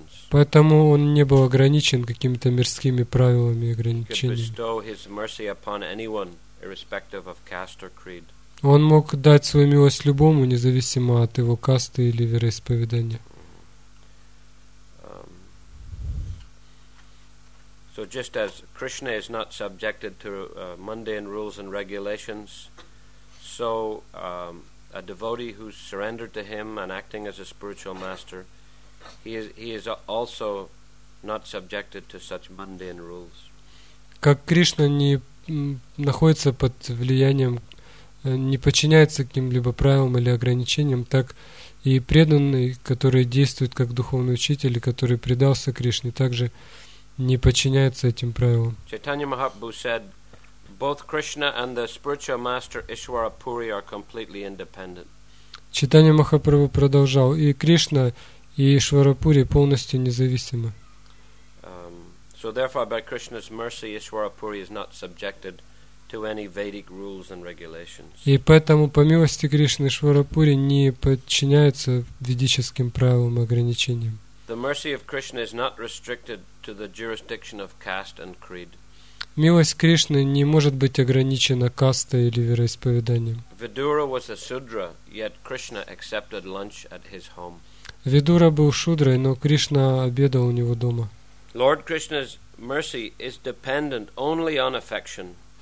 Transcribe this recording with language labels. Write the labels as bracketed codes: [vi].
[ru] Поэтому он не был ограничен какими-то мирскими правилами и ограничениями. Он мог дать свою милость любому, независимо от его касты или вероисповедания. [en] So just as Krishna is not subjected to mundane rules and regulations, so a devotee who's surrendered to him and acting as a spiritual master, he is also not subjected to such mundane rules. [ru] Как Кришна не находится под влиянием, не подчиняется каким-либо правилам или ограничениям, так и преданный, который действует как духовный учитель, и который предался Кришне, также не подчиняется этим правилам. [en] Чайтанья Махапрабху said, both Krishna and the spiritual master Ishwarapuri are completely independent. [ru] Чайтанья Махапрабху продолжал, и Кришна, и Ишварапури полностью независимы. [en] So therefore, by Krishna's mercy, Ishwarapuri is not subjected to any Vedic rules and regulations. [ru] И поэтому, по милости Кришны, Ишварапури не подчиняется ведическим правилам и ограничениям. [en] The mercy of Krishna is not restricted to the jurisdiction of caste and creed. [ru] Милость Кришны не может быть ограничена кастой или вероисповеданием. [en] Vidura was a Shudra, yet Krishna accepted lunch at his home. [ru] Vidura был шудрой, но Кришна обедал у него дома. [en] Lord Krishna's mercy is dependent only on affection.